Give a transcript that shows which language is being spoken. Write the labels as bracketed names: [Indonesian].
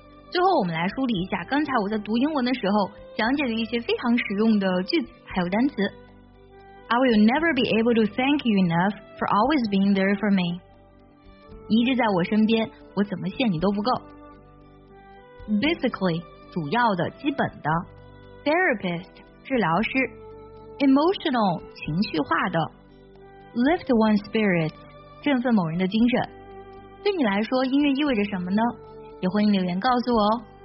[Chinese] 最后我们来梳理一下刚才我在读英文的时候讲解的一些非常实用的句子还有单词。 [English] I will never be able to thank you enough for always being there for me. [Chinese] 你一直在我身边，我怎么谢你都不够。Basically 主要的基本的。 Therapist 治疗师。Emotional 情绪化的。 Lift one's spirits 振奋某人的精神。对你来说音乐意味着什么呢？也欢迎留言告诉我哦。